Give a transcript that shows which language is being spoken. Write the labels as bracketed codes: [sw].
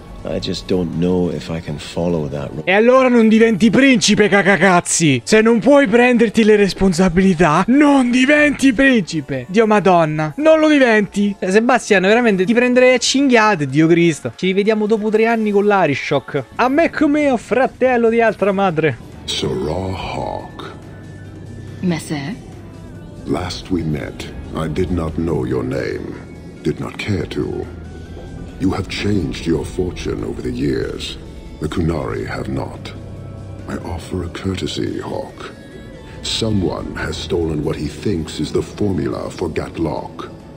[en] I just don't know if I can follow that. [it] E allora non diventi principe, cacacazzi! Se non puoi prenderti le responsabilità, non diventi principe! Dio Madonna, non lo diventi! Sebastiano, veramente ti prenderei a cinghiate, Dio Cristo! Ci rivediamo dopo 3 anni con l'Arishok. A me come mio fratello di altra madre. [en] Sarà Hawk. Messer? Last we met, I did not know your name. Did not care to. You have changed your fortune over the years. The Kunari have not. I offer a courtesy, Hawk. Someone has stolen what he thinks is the formula for Gatlock.